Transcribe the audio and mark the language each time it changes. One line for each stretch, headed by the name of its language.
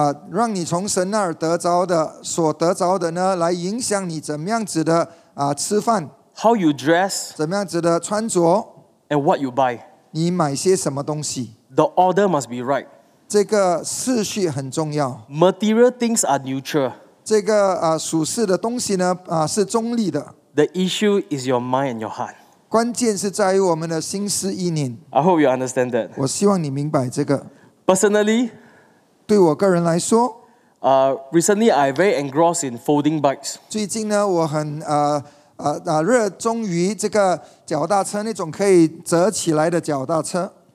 Chinese: 让你从神那儿得着的所得着的呢，来影响你怎么样子的吃饭
English: ，how you dress，
Chinese: 怎么样子的穿着
English: ，and what you buy，
Chinese: 你买些什么东西
English: ，the order must be right。
Chinese: 这个次序很重要。
English: Material things are neutral。
Chinese: 这个属世的东西呢是中立的。
English: The issue is your mind and your heart。
Chinese: 关键是在于我们的心思意念。
English: I hope you understand that。
Chinese: 我希望你明白这个。
English: Personally，
Chinese: 对我个人来说
English: ，recently I very engrossed in folding bikes。
Chinese: 最近呢，我很热衷于这个脚踏车，那种可以折起来的脚踏车。